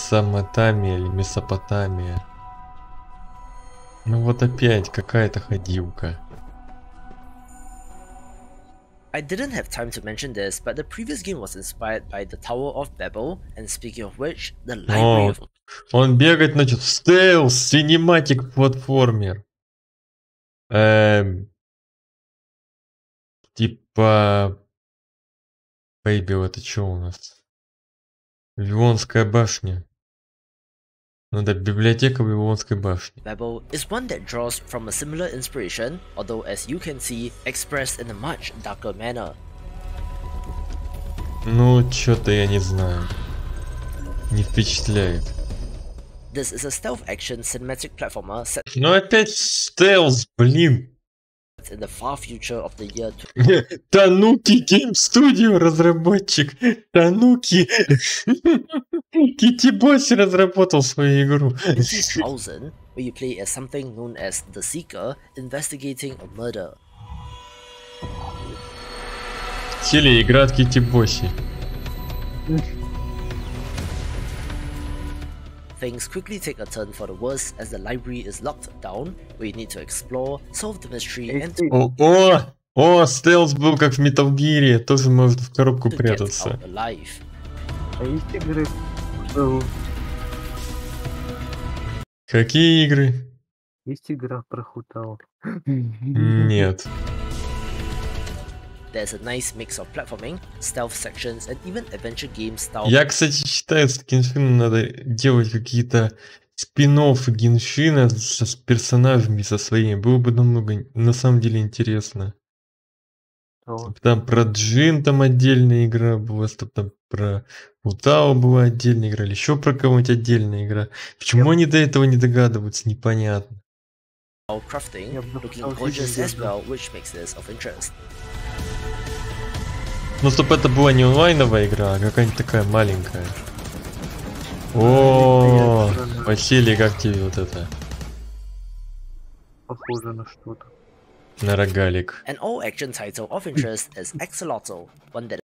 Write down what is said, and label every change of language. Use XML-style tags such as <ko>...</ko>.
<ru>Месопотамия. Ну вот опять какая-то ходилка.</ru> <en>I didn't have time to mention this, but the previous game was inspired by the Tower of Babel, and speaking of which, the library of...</en> <ru>Он бегает, значит, в стелс, синематик платформер. Типа... Babel, это что у нас? Вавилонская башня. Надо библиотека Вавилонской башни.</ru> <en>Babel is one that draws from a similar inspiration, although as you can see, expressed in a much darker manner.</en> <ru>Ну, чё-то я не знаю. Не впечатляет.</ru> <en>This is a stealth action cinematic platformer set...</en> <ru>Ну опять стелс, блин!</ru> <en>In the far future of the year...</en> <ru>Tanuki Game Studio разработчик! Tanuki! Kitty Boss разработал свою игру!</ru> <en>This is Housen, where you play as something known as The Seeker, investigating a murder.</en> <ru>Сели игра от Kitty Boss'и.</ru> <en>Things quickly take a turn for the worse as the library is locked down, where you need to explore, solve the mystery and...</en> <ru>О, стелс был как в Metal Gear, тоже может в коробку прятаться. А есть игры? Какие игры? Есть игра про хутал. Нет.</ru> <en>There's a nice mix of platforming, stealth sections, and even adventure game style.</en> <ru>Я, кстати, считаю, что Геншину надо делать какие-то спин-оффы Геншина с персонажами со своими. Было бы намного, на самом деле, интересно. Oh. Там про Джин там отдельная игра была, там про Утао была отдельная игра, или еще про кого-нибудь отдельная игра. Почему они до этого не догадываются, непонятно.</ru> <en>Crafting, looking gorgeous as well, which makes this of interest.</en> <ru>Ну, чтоб это была не онлайновая игра, а какая-нибудь такая маленькая. О, Василий, как тебе вот это? Похоже на что-то. На рогалик.</ru> <en>An old action title of interest is Axolotl. One that...</en>